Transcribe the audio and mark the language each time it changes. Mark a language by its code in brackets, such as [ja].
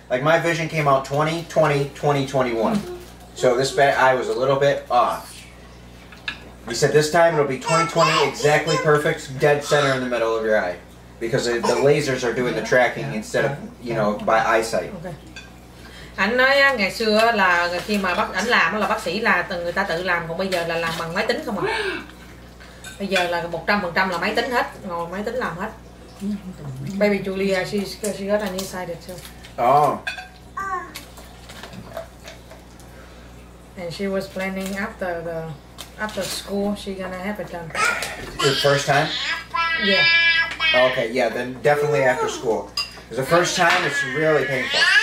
[en] Like my vision came out 20/20/2021. So this bad eye was a little bit off. He said this time it'll be 20/20, exactly perfect, dead center in the middle of your eye. Because the lasers are doing the tracking instead of, you know, by eyesight. Okay. [vi] Anh nói ngày xưa là khi mà anh làm là bác sĩ là người ta tự làm, còn bây giờ là làm bằng máy tính không ạ? Bây giờ là 100% là máy tính hết, ngồi máy tính làm hết. [en] Baby Julia, she got a nearsighted too. Oh. And she was planning after school she gonna have it done. The first time? Yeah. Okay, yeah, then definitely after school. Because the first time it's really painful.